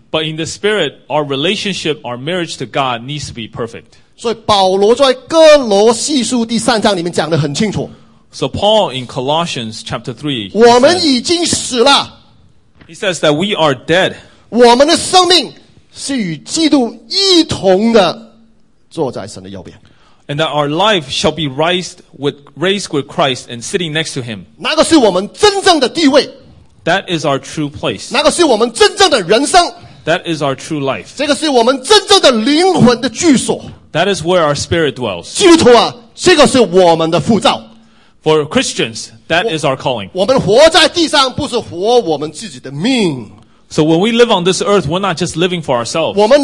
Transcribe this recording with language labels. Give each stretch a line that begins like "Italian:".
English: But in the spirit, our relationship, our marriage to God needs to be perfect.
Chinese: 所以保罗在哥罗西书第三章里面讲得很清楚。
English: So Paul in Colossians chapter 3,
Chinese: 我们已经死了。
English: He says that we are dead.
Chinese: 我们的生命是与基督一同的坐在神的右边。
English: And that our life shall be raised with Christ and sitting next to him.
Chinese: 那个是我们真正的地位。
English: That is our true place.
Chinese: 那个是我们真正的人生。
English: That is our true life.
Chinese: 这个是我们真正的灵魂的居所。
English: That is where our spirit dwells.
Chinese: 基督徒啊, 这个是我们的护照。
English: For Christians, that is our calling.
Chinese: 我们活在地上不是活我们自己的命。
English: So when we live on this earth, we're not just living for ourselves.